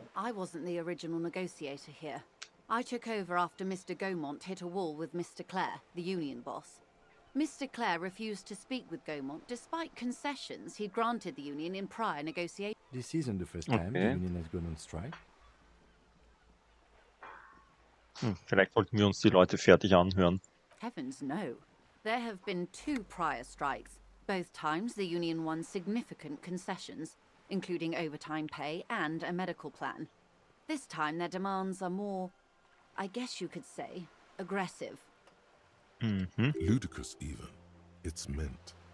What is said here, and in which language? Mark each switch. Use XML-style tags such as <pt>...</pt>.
<en>I wasn't the original negotiator here. I took over after Mr. Gaumont hit a wall with Mr. Clare, the union boss. Mr. Clare refused to speak with Gaumont despite concessions he'd granted the union in prior negotiations. This isn't the first time the union has gone on strike.</en> <de>Vielleicht sollten wir uns die Leute fertig anhören.</de> <en>Heavens no. There have been two prior strikes. Both times the union won significant concessions, including overtime pay and a medical plan. This time their demands are more, I guess you could say, aggressive. Mm-hmm. Ludicrous even. It's meant.</en>